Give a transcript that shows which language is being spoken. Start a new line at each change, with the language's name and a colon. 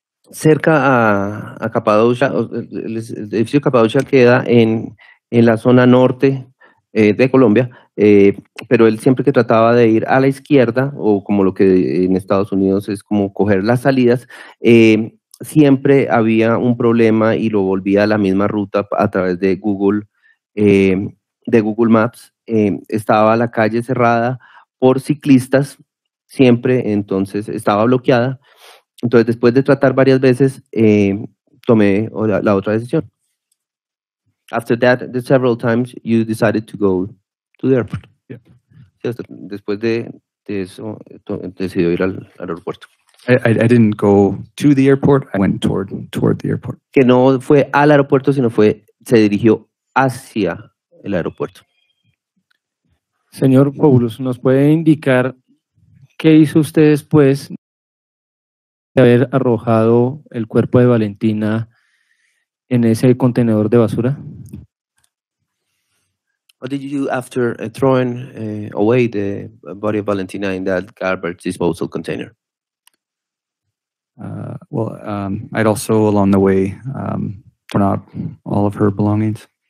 Spanish: Cerca a Capadocia, el edificio Capadocia queda en la zona norte de Colombia, pero él siempre que trataba de ir a la izquierda, o como lo que en Estados Unidos es como coger las salidas, siempre había un problema y lo volvía a la misma ruta a través de Google Maps. Estaba la calle cerrada por ciclistas siempre, entonces estaba bloqueada. Entonces, después de tratar varias veces, tomé la otra decisión.
English: After that, several times you decided to go to the airport. Yeah.
Spanish: Después de eso, decidí ir al aeropuerto.
English: I didn't go to the airport, I went toward the airport.
Spanish: Que no fue al aeropuerto, sino fue, se dirigió hacia el aeropuerto. Señor Poulos, ¿nos puede indicar qué hizo usted después de haber arrojado el cuerpo de Valentina en ese contenedor de basura?
English: What did you do after throwing away the body of Valentina in that garbage disposal container? I'd also along the way thrown out all of her belongings.